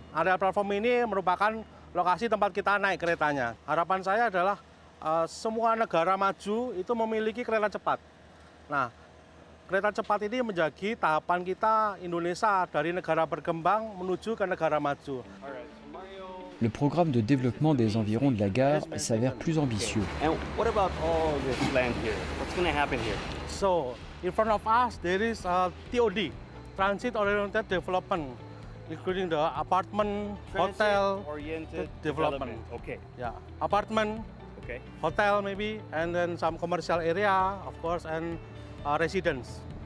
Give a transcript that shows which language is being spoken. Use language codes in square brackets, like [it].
[id] Area platform ini merupakan lokasi tempat kita naik keretanya. Harapan saya adalah semua negara maju itu memiliki kereta cepat. Nah, kereta cepat ini menjadi tahapan kita Indonesia dari negara berkembang menuju ke negara maju. [fr] Le programme de développement des environs de la gare s'avère plus ambitieux. [en] And what about all this land here? What's going to happen here? So, in front of us there is a TOD, Transit Oriented Development, including the apartment, hotel, development. Okay. Yeah. Apartment, okay. Hotel maybe, and then some commercial area, of course, and residence.